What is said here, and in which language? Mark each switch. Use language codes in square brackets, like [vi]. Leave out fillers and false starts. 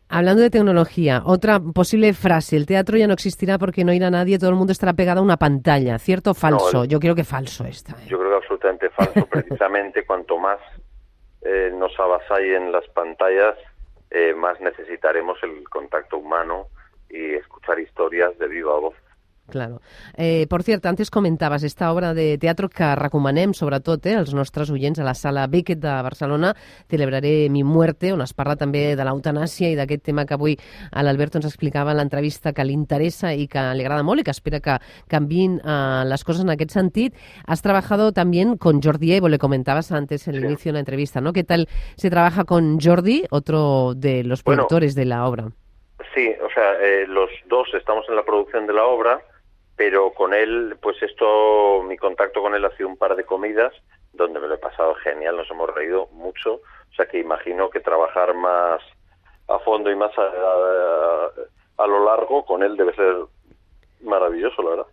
[es] Hablando de tecnología, otra posible frase, el teatro ya no existirá porque no irá nadie, todo el mundo estará pegado a una pantalla, ¿cierto o falso? No, yo creo que falso esta. Yo creo que absolutamente falso, precisamente cuanto más nos avasallen las pantallas, más necesitaremos el contacto humano y escuchar historias de viva voz. Claro. Por cierto, antes comentabas esta obra de teatro que [ca] recomanem, sobretot, als nostres oients, a la Sala Beckett de Barcelona, Celebraré mi muerte, on es parla també de l'eutanàsia i d'aquest tema que avui l'Alberto ens explicava en l'entrevista, que li interessa i que li agrada molt i que espera que canviïn les coses en aquest sentit. [es] Has trabajado también con Jordi Evo, le comentabas antes en l'inicio de la entrevista, ¿no? ¿Qué tal se trabaja con Jordi, otro de los productores de la obra? Sí, o sea, los dos estamos en la producción de la obra, pero con él, pues mi contacto con él ha sido un par de comidas, donde me lo he pasado genial, nos hemos reído mucho, o sea que imagino que trabajar más a fondo y más a lo largo con él debe ser maravilloso, la verdad.